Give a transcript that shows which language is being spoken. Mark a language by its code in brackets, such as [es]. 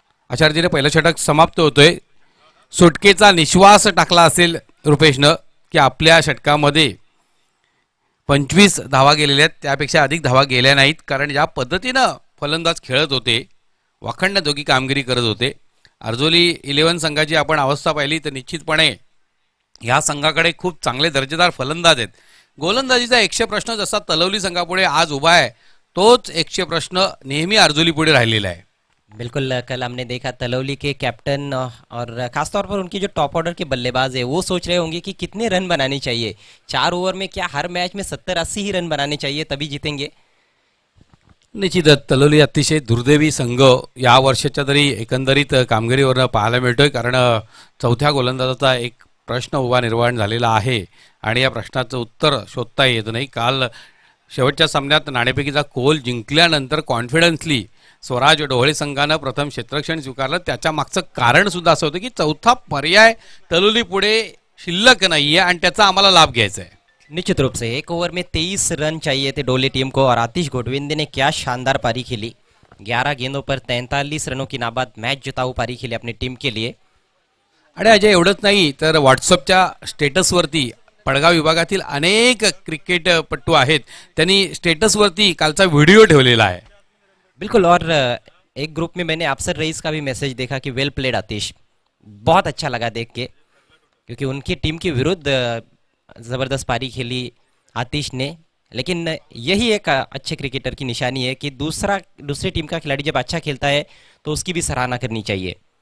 [mr] अशा रीतीने पहिला षटक समाप्त होतोय, सुटकेचा निश्वास टाकला असेल रुपेशनं की आपल्या षटकामध्ये 25 धावा गेलेल्या आहेत, त्यापेक्षा अधिक धावा गेल्या नाहीत, कारण ज्या पद्धतीनं फलंदाज खेळत होते, वाखंडण्याजोगी कामगिरी करत होते। अर्जोली 11 संघाची आपण अवस्था पाहिली तर निश्चितपणे ह्या संघाकडे खूप चांगले दर्जेदार फलंदाज आहेत। गोलंदाजीचा 100 प्रश्न जसा तलवली संघापुढे आज उभा आहे, तोच 100 प्रश्न नेहमी अर्जोली पुढे राहिलेला आहे। [hi] बिल्कुल, कल हमने देखा तलवली के कॅप्टन और खासतौर पर उनकी जो टॉप ऑर्डर के बल्लेबाज है, वो सोच रहे होंगे कि कितने रन बनाने चाहिए, चार ओवर में क्या हर मैच में 70-80 ही रन बनाने चाहिए तभी जीतेंगे। [mr] निश्चितच तलवली अतिशय दुर्दैवी संघ या वर्षाच्या तरी एकंदरीत कामगिरीवर पाहायला मिळतोय, कारण चौथ्या गोलंदाजाचा एक प्रश्न उभा निर्माण झालेला आहे आणि या प्रश्नाचं उत्तर शोधता येत नाही। काल शेवटच्या सामन्यात नाणेफेकीचा कोल जिंकल्यानंतर कॉन्फिडन्सली स्वराज ढोळे संघानं प्रथम क्षेत्रक्षण स्वीकारलं, त्याच्या मागचं कारणसुद्धा असं होतं की चौथा पर्याय तलवली पुढे शिल्लक नाही आहे आणि त्याचा आम्हाला लाभ घ्यायचा आहे। [hi] निश्चित रूप से एक ओवर में 23 रन चाहिए थे ढोले टीम को और आतिश गोटविंदे ने क्या शानदार पारी खेली, 11 गेंदों पर 43 रनों की नाबाद मैच जिताऊ पारी खेली अपनी टीम के लिए। [mr] अरे अजय एवढंच नाही तर व्हाट्सअपच्या स्टेटसवरती पडगाव विभागातील अनेक क्रिकेट पट्टू आहेत, त्यांनी स्टेटसवरती कालचा व्हिडिओ ठेवलेला आहे। [hi] बिल्कुल, और एक ग्रुप में मैंने अफसर रईस का भी मेसेज देखा कि [en] well played [hi] आतिश, बहुत अच्छा लगा देख के, क्योंकि उनकी टीम के विरुद्ध जबरदस्त पारी खेली आतिश ने, लेकिन यही एक अच्छे क्रिकेटर की निशानी है कि दूसरी टीम का खिलाड़ी जब अच्छा खेलता है तो उसकी भी सराहना करनी चाहिए।